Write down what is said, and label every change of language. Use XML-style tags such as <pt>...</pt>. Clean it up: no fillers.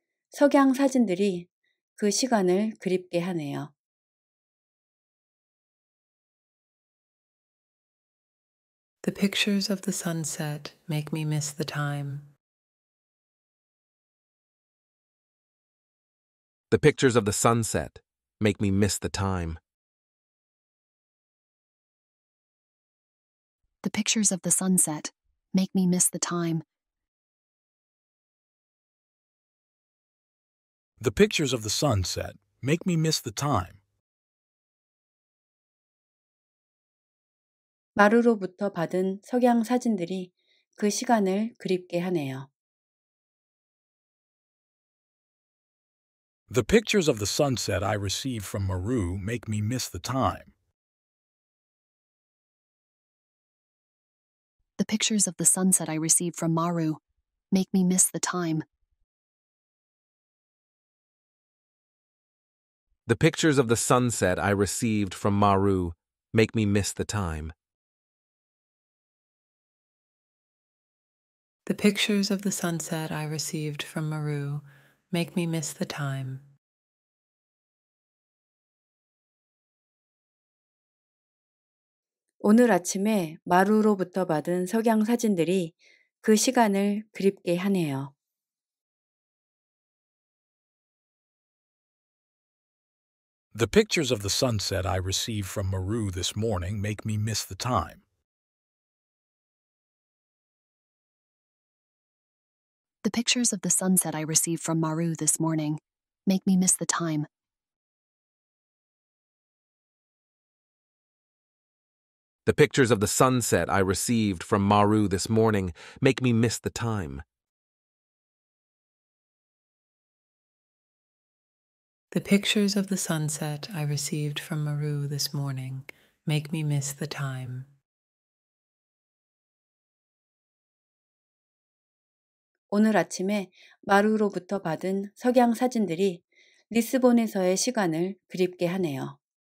<ko>석양 사진들이 그 시간을 그립게 하네요.</ko> <en>The pictures of the sunset make me miss the time. The pictures of the sunset make me miss the time. The pictures of the sunset make me miss the time. The pictures of the sunset make me miss the time.</en> <ko>마루로부터 받은 석양 사진들이 그 시간을 그립게 하네요.</ko> <en>The pictures of the sunset I received from Maru make me miss the time. The pictures of the sunset I received from Maru make me miss the time. The pictures of the sunset I received from Maru make me miss the time. The pictures of the sunset I received from Maru make me miss the time.</en> <ko>오늘 아침에 마루로부터 받은 석양 사진들이 그 시간을 그립게 하네요.</ko> <en>The pictures of the sunset I received from Maru this morning make me miss the time. The pictures of the sunset I received from Maru this morning make me miss the time. The pictures of the sunset I received from Maru this morning make me miss the time. The pictures of the sunset I received from Maru this morning make me miss the time.</en> <ko>오늘 아침에 마루로부터 받은 석양 사진들이 리스본에서의 시간을 그립게 하네요.</ko>